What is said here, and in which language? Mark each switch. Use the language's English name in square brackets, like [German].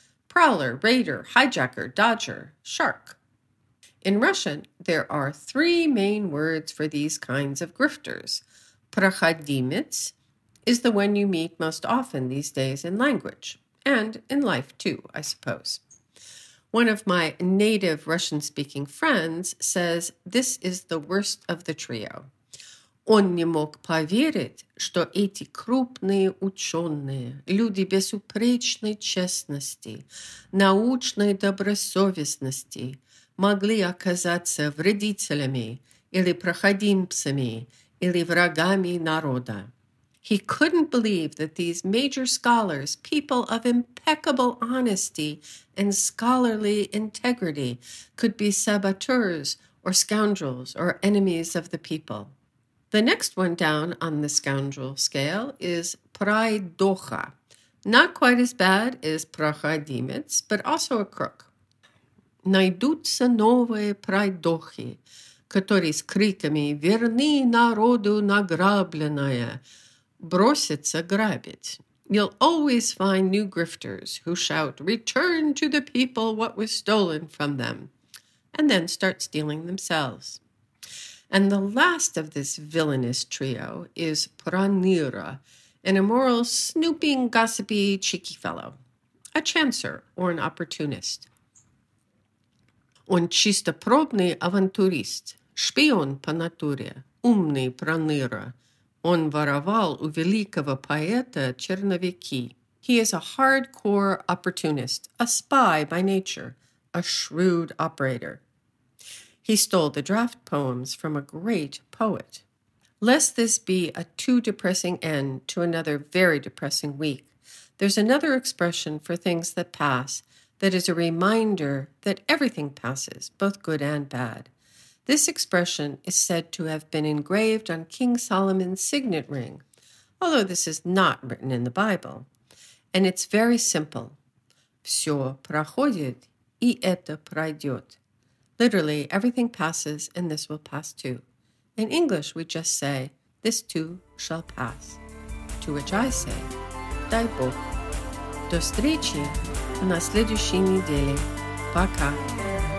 [English] Prowler, raider, hijacker, dodger, shark. In Russian, there are three main words for these kinds of grifters. Проходимец is the one you meet most often these days in language, and in life too, I suppose. One of my native Russian-speaking friends says this is the worst of the trio. [Russian] Он не мог поверить, что эти крупные ученые, люди безупречной честности, научной добросовестности, могли оказаться вредителями или проходимцами или врагами народа. [English] He couldn't believe that these major scholars, people of impeccable honesty and scholarly integrity, could be saboteurs or scoundrels or enemies of the people. The next one down on the scoundrel scale is пройдоха. Not quite as bad as проходимец, but also a crook. [Russian] Найдутся новые пройдохи, которые с криками «Верни народу награбленное!» бросятся грабить. [English] You'll always find new grifters who shout «Return to the people what was stolen from them!» and then start stealing themselves. And the last of this villainous trio is Pranira, an immoral, snooping, gossipy, cheeky fellow, a chancer or an opportunist. [Russian] Он чистопробный авантюрист, шпион по натуре, умный Пранира. Он воровал у великого поэта черновики. [English] He is a hardcore opportunist, a spy by nature, a shrewd operator. He stole the draft poems from a great poet. Lest this be a too depressing end to another very depressing week, there's another expression for things that pass that is a reminder that everything passes, both good and bad. This expression is said to have been engraved on King Solomon's signet ring, although this is not written in the Bible. And it's very simple. [Russian] Все проходит, и это пройдет. [English] Literally, everything passes and this will pass too. In English, we just say, this too shall pass. To which I say, [Russian] дай Бог. До встречи на следующей неделе. Пока.